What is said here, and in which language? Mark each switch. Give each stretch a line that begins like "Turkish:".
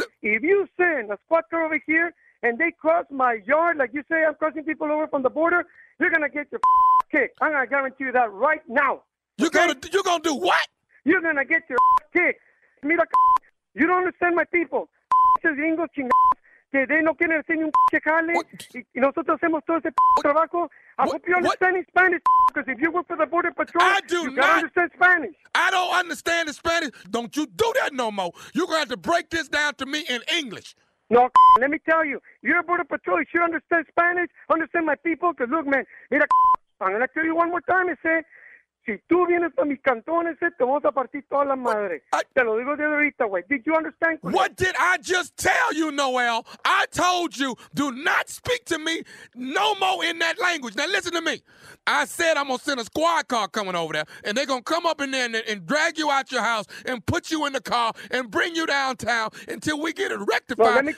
English: If you send a squad car over here and they cross my yard, like you say I'm crossing people over from the border, you're going to get your kicked. I'm going to guarantee you that right now. You're going to do what? You're going to get your kicked. Me like, you don't understand my people.
Spanish: Es gringo chingado que de no quieren hacer ni un checale y nosotros hacemos todo ese trabajo.
English: I hope you understand Spanish, because if you work for the Border Patrol, you gotta understand Spanish. I don't understand Spanish. Don't you do that no more. You're gonna have to break this down to me in English. No, let me tell you, you're a Border Patrol. You should understand Spanish, understand my people, because look, man, mira, I'm gonna tell you one more time, ese.
Spanish: Si tú vienes a mis cantones, te vamos a partir toda la madre. Te lo digo desde ahorita, güey.
English: Did you understand? What did I just tell you, Noel? I told you, do not speak to me no more in that language. Now, listen to me. I said I'm going to send a squad car coming over there, and they're going to come up in there and drag you out your house and put you in the car and bring you downtown until we get it rectified.